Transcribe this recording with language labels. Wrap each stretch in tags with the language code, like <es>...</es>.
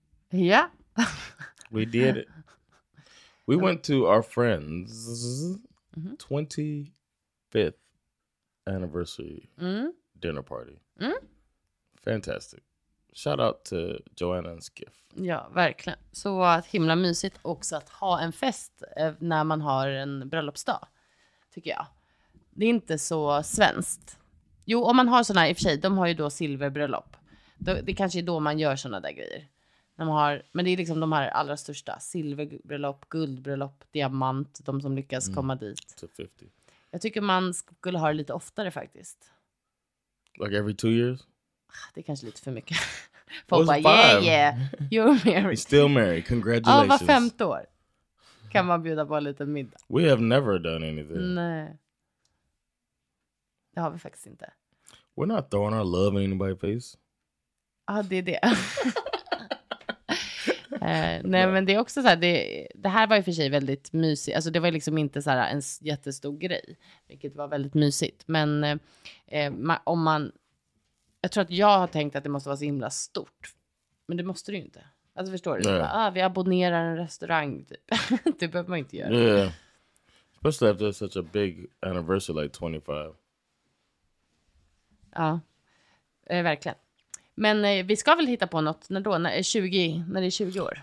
<en>Yeah. We did it. We went to our friend's 25th anniversary dinner party. Fantastic. Shout out to Joanna and Skiff.</en> <sv>Ja, verkligen. Så himla mysigt också att ha en fest när man har en bröllopsdag, tycker jag. Det är inte så svenskt. Jo, om man har såna här, i och för sig, de har ju då silverbröllop. Det kanske är då man gör såna där grejer. När man har, men det är liksom de här allra största. Silverbröllop, guldbröllop, diamant. De som lyckas komma dit.</sv> <en>To 50.</en> <sv>Jag tycker man skulle ha det lite oftare faktiskt.</sv> <en>Like every 2 years?</en> <sv>Det är kanske lite för mycket. Folk bara,</sv> <en>five. Yeah, you're married. You're still married, congratulations.</en> <sv>Ja, var femte år kan man bjuda på en liten middag.</sv> <en>We have never done anything.</en> <sv>Nej. Det har vi faktiskt inte.</sv> <en>We're not throwing our love in anybody's face.</en> <sv>Ja, det är det. nej, men det är också så här, det här var ju för sig väldigt mysigt. Alltså det var liksom inte så här en jättestor grej, vilket var väldigt mysigt. Men om man, jag tror att jag har tänkt att det måste vara så himla stort. Men det måste det ju inte. Alltså förstår du? Bara, vi abonnerar en restaurang typ. Det behöver man inte göra.</sv> <en>Yeah. Especially after such a big anniversary like 25.</en> <sv>Ja, verkligen. Men vi ska väl hitta på något när då, när 20, när det är 20 år.</sv>